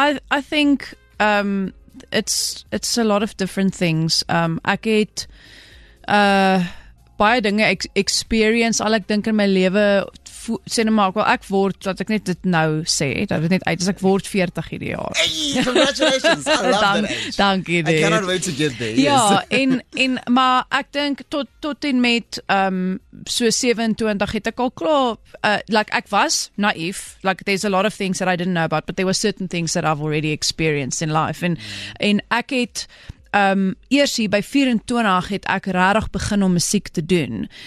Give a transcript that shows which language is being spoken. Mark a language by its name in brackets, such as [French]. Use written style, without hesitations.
[English] I think it's a lot of different things. [Afrikaans] Ek het baie dinge experience al ek dink in my lewe. Sê nou maar, ek word, dat ek net dit nou sê, dat het net uit, as ek word 40 hierdie jaar. [English] Hey, congratulations, I love that age. [Afrikaans] Dankie. [English] I cannot wait to get there. [Afrikaans] Ja, en maar ek dink tot en met so 27 het ek al klaar, [English] like [Afrikaans] ek was naïef, [English] like there's a lot of things that I didn't know about, but there were certain things that I've already experienced in life. [Afrikaans] En ek het, eers hier by 24 het ek rarig begin om muziek te doen.